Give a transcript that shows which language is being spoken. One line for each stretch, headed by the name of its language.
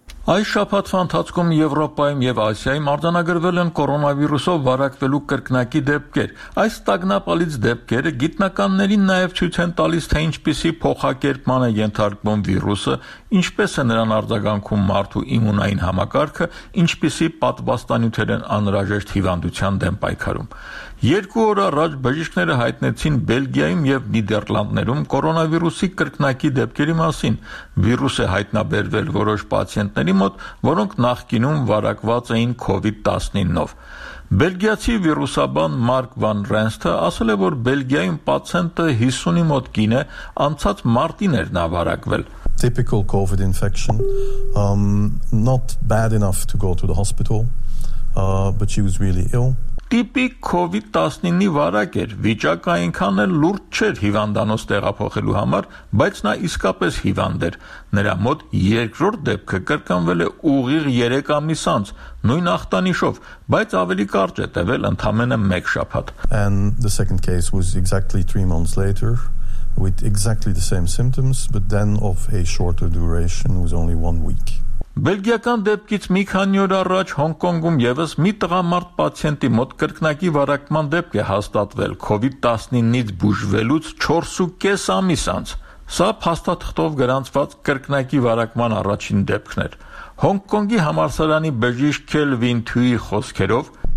Armenian: Այս շաբաթվա ընթացքում Եվրոպայում և Ասիայում արձանագրվել են կորոնավիրուսով վարակվելու կրկնակի դեպքեր։ Այս տագնապալից դեպքերը գիտնականներին նաև ցույց են տալիս, թե ինչպիսի փոխակերպման է ենթարկվում վիրուսը, ինչպես է նրան արձագանքում մարդու իմունային համակարգը, ինչպիսի պատվաստանյութեր են անհրաժեշտ հիվանդության դեմ պայքարում։ Երկու օր առաջ բժիշկները հայտնեցին Բելգիայում և Նիդերլանդներում կորոնավիրուսի կրկնակի դեպքերի մասին։ Վիրուս է հայտնաբերվել որոշ պացիենտների մոտ, որոնք նախկինում վարակված էին COVID-19-ով։ Բելգիացի վիրուսաբան Մարկ Վան Ռենստը ասել է, որ Բելգիայում պացիենտը 50-ի մոտ կին է, անցած մարտին էր նա վարակվել։
English: Typical COVID infection, not bad enough to go to the hospital, but she was really ill.
Armenian: Տիպիկ COVID-19-ի վարակ էր, վիճակը այնքան էլ լուրջ չէր հիվանդանոց տեղափոխելու համար, բայց նա իսկապես հիվանդ էր։ Նրա մոտ երկրորդ դեպքը կրկնվել է ուղիղ 3 ամիս անց, նույն ախտանիշով, բայց ավելի կարճ է տևել, ընդամենը 1 շաբաթ։
English: And the second case was exactly 3 months later with exactly the same symptoms, but then of a shorter duration, was only 1 week.
Armenian: Բելգիական դեպքից մի քանի օր առաջ Հոնկոնգում եւս մի տղամարդ պացիենտի մոտ կրկնակի վարակման դեպք է հաստատվել COVID-19-ից բուժվելուց 4.5 ամիս անց։ Սա փաստաթղթով գրանցված կրկնակի վարակման առաջին դեպքն էր։ Հոնկոնգի համալսարանի բժիշկ Քելվին Թյուի խոսքերով